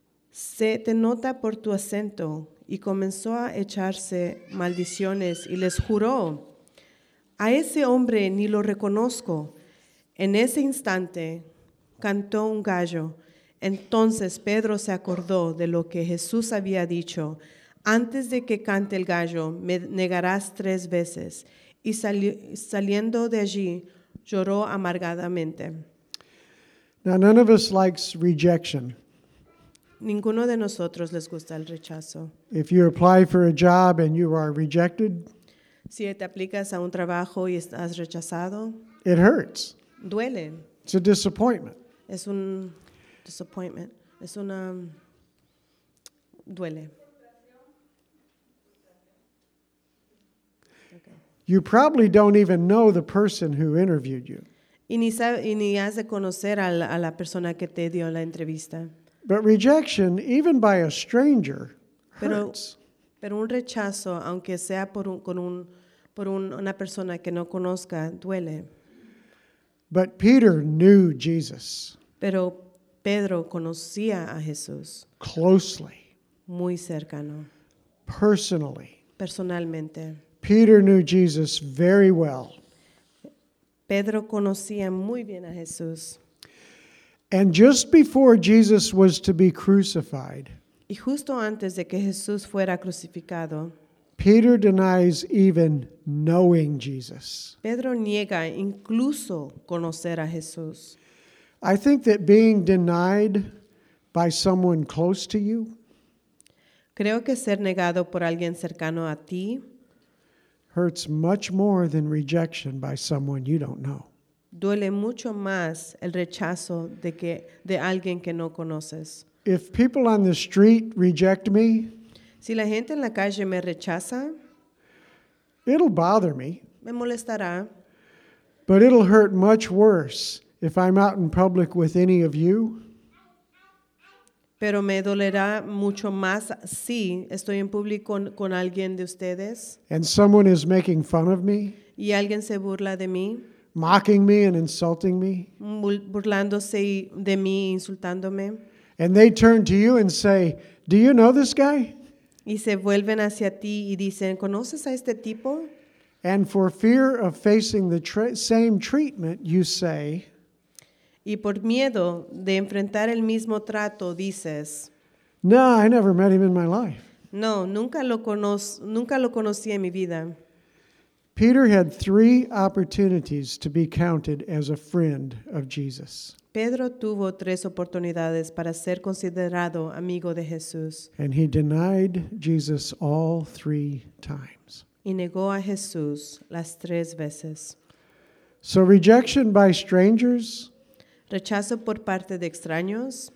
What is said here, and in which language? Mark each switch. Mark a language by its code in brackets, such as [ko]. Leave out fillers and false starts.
[es] Se te nota por tu acento. Y comenzó a echarse maldiciones y les juró, a ese hombre ni lo reconozco. En ese instante cantó un gallo. Entonces Pedro se acordó de lo que Jesús había dicho: antes de que cante el gallo, me negarás tres veces. Y saliendo de allí, lloró amargadamente. [en] Now, none of us likes rejection. [es] Ninguno de nosotros les gusta el rechazo. [en] If you apply for a job and you are rejected, [es] si te aplicas a un trabajo y estás rechazado, [en] it hurts. [es] Duele. [en] It's a disappointment. [es] Es un disappointment. Es una duele. [en] You probably don't even know the person who interviewed you. [es] Y ni has de conocer a la persona que te dio la entrevista. [en] But rejection, even by a stranger, hurts. [es] Pero un rechazo, aunque sea por una persona que no conozca, duele. [en] But Peter knew Jesus. [es] Pero Pedro conocía a Jesús. [en] Closely. [es] Muy cercano. [en] Personally. [es] Personalmente. [en] Peter knew Jesus very well. [es] Pedro conocía muy bien a Jesús. [en] And just before Jesus was to be crucified, [es] y justo antes de que Jesús fuera crucificado, [en] Peter denies even knowing Jesus. [es] Pedro niega incluso conocer a Jesús. [en] I think that being denied by someone close to you, [es] creo que ser negado por alguien cercano a ti, [en] hurts much more than rejection by someone you don't know. [es] Duele mucho más el rechazo de alguien que no conoces. [en] If people on the street reject me, [es] si la gente en la calle me rechaza, [en] it'll bother me. [es] Me molestará. [en] But it'll hurt much worse if I'm out in public with any of you. [es] Pero me dolerá mucho más si estoy en público con alguien de ustedes. [en] And someone is making fun of me. [es] Y alguien se burla de mí. [en] Mocking me and insulting me. [es] Burlándose de mí, insultándome. [en] And they turn to you and say, "Do you know this guy?" [es] Y se vuelven hacia ti y dicen, "¿Conoces a este tipo?" [en] And for fear of facing the same treatment, you say, [es] y por miedo de enfrentar el mismo trato, dices, [en] "No, I never met him in my life." [es] No, nunca lo conocí en mi vida. [en] Peter had three opportunities to be counted as a friend of Jesus. [es] Pedro tuvo tres oportunidades para ser considerado amigo de Jesús. [en] And he denied Jesus all three times. [es] Y negó a Jesús las tres veces. [en] So rejection by strangers, [es] rechazo por parte de extraños,